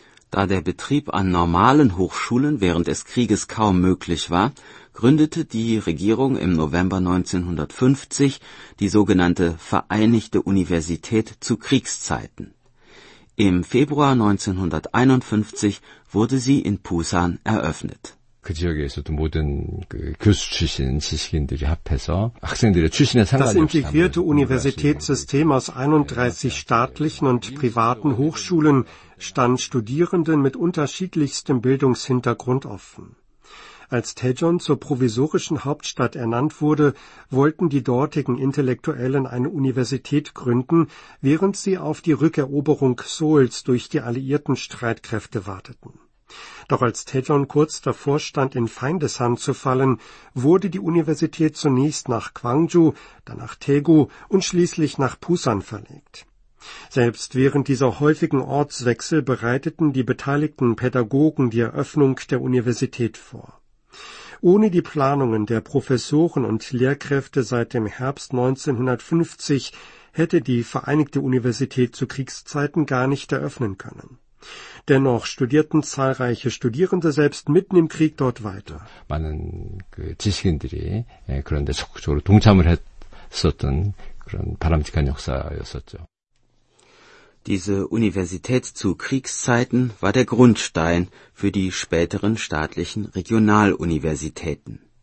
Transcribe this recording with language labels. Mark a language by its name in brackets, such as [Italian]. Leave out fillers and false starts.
[German] Da der Betrieb an normalen Hochschulen während des Krieges kaum möglich war, gründete die Regierung im November 1950 die sogenannte Vereinigte Universität zu Kriegszeiten. Im Februar 1951 wurde sie in Busan eröffnet. [Korean] 그 지역에서도 모든 그 교수 출신 지식인들이 합해서 학생들의 출신에 상관없이 [German] Das integrierte Universitätssystem aus 31 staatlichen und privaten Hochschulen stand Studierenden mit unterschiedlichstem Bildungshintergrund offen. Als Taejon zur provisorischen Hauptstadt ernannt wurde, wollten die dortigen Intellektuellen eine Universität gründen, während sie auf die Rückeroberung Seouls durch die alliierten Streitkräfte warteten. Doch als Taejon kurz davor stand, in Feindeshand zu fallen, wurde die Universität zunächst nach Gwangju, dann nach Daegu und schließlich nach Busan verlegt. Selbst während dieser häufigen Ortswechsel bereiteten die beteiligten Pädagogen die Eröffnung der Universität vor. Ohne die Planungen der Professoren und Lehrkräfte seit dem Herbst 1950 hätte die Vereinigte Universität zu Kriegszeiten gar nicht eröffnen können. Dennoch studierten zahlreiche Studierende selbst mitten im Krieg dort weiter. [Korean] 많은 그 지식인들이 그런데 적극적으로 동참을 했었던 그런 바람직한 역사였었죠. [German] Diese Universität zu Kriegszeiten war der Grundstein für die späteren staatlichen Regionaluniversitäten.